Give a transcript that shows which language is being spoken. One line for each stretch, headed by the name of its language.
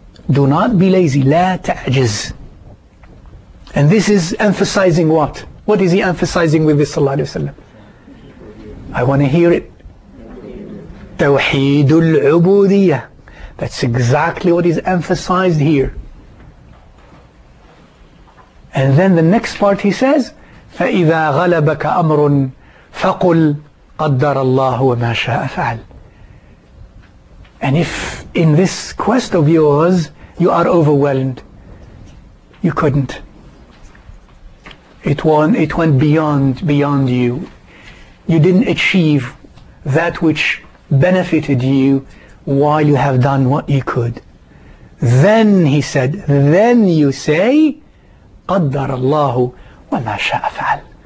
English: Do not be lazy.
Arabic: لَا تَعْجَزْ.
English: And this is emphasizing what? What is he emphasizing with this, sallallahu alayhi wa sallam? I want to hear it.
Arabic: توحيد العبودية.
English: That's exactly what is emphasized here. And then the next part he says,
Arabic: فَإِذَا غَلَبَكَ أَمْرٌ فَقُلْ قَدَّرَ اللَّهُ وَمَا شَاءَ فَعَلْ.
English: And if in this quest of yours you are overwhelmed, you couldn't, It went beyond you. You didn't achieve that which benefited you while you have done what you could, then he said, then you say,
Arabic: قدر الله وما شاء فعل.